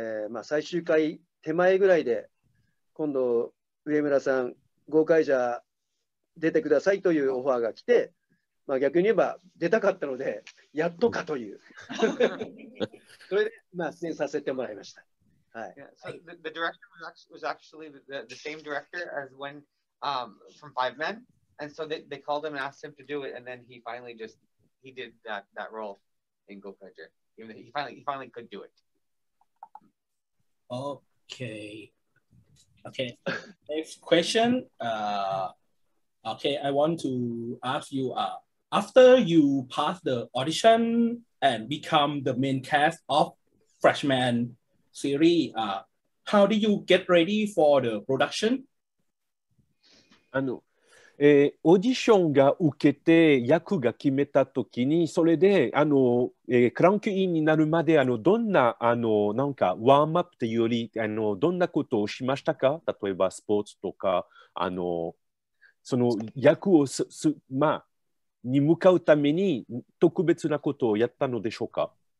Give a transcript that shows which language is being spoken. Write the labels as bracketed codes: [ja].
[ja] まあ、最終回手前ぐらいで、今度上村さん豪快じゃ出てくださいというオファーが来て、まあ、逆に言えば出たかったのでやっとかというそれで、まあ、出演させてもらいました。 [en] Yeah, so the director was actually the same director as when from Five Men, and so they called him and asked him to do it, and then he finally just he did that role in Gokaija. He finally could do it. Okay. Next question. Okay, I want to ask you. After you pass the audition and become the main cast of Freshman Siri, how do you get ready for the production? [ja] あの、オーディションが受けて役が決めたときに、それで、あの、クランクインになるまで、あの、どんな、あの、なんか、ワームアップというより、あの、どんなことをしましたか？例えば、スポーツとか、あの、その役をまあ、に向かうために、特別なことをやったのでしょうか？